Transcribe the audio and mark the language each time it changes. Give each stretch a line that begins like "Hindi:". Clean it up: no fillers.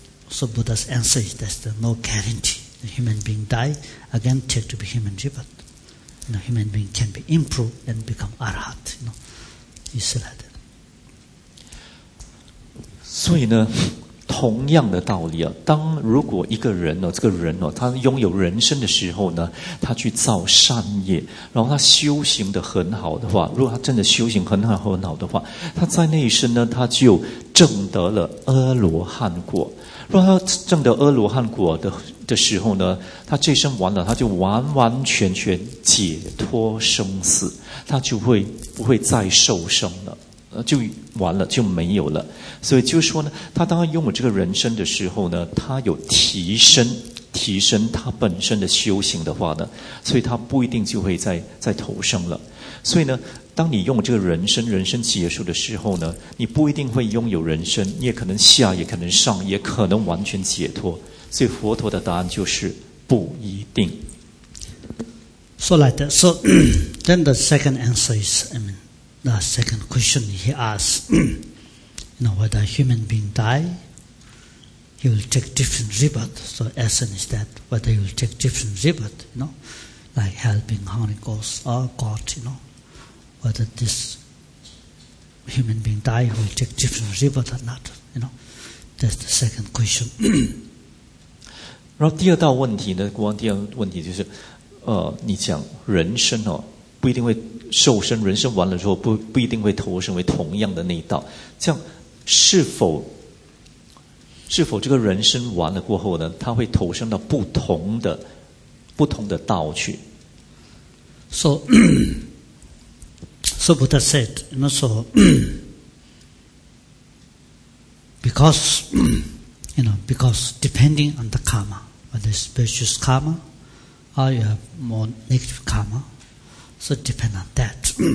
English: So Buddha's answer is that's the no guarantee. The human being die, again take to be human rebirth. You know, human being can be improved and become arhat. You know, you see like that. So, you know,
Chinese: 同样的道理啊，当如果一个人呢，这个人呢，他拥有人生的时候呢，他去造善业，然后他修行得很好的话，如果他真的修行很好很好的话，他在那一生呢，他就证得了阿罗汉果。如果他证得阿罗汉果的时候呢，他这生完了，他就完完全全解脱生死，他就会不会再受生了。就完了，就没有了。所以就是说呢，他当他拥有这个人生的时候呢，他有提升他本身的修行的话呢，所以他不一定就会再投生了。所以呢，当你拥有这个人生结束的时候呢，你不一定会拥有人生，你也可能下，也可能上，也可能完全解脱。所以佛陀的答案就是不一定。
English: So like that. So then the second answer is, I mean. The second question he asked, you know, whether a human being die, he will take different rebirth. So essence is that, whether he will take different rebirth, you know, like helping hungry ghosts or God, you know, whether this human being die, he will take different rebirth or not, you know. That's the second question.
Chinese: 然后第二道问题呢，国王第二问题就是，你讲人生哦，不一定会受生，人生完了之后不一定会投生为同样的那一道，这样是否这个人生完了过后呢，他会投生到不同的道去
English: ？So, so Buddha said, you know, so because you know, because depending on the karma, whether it's virtuous karma or you have more negative karma, so depend on that.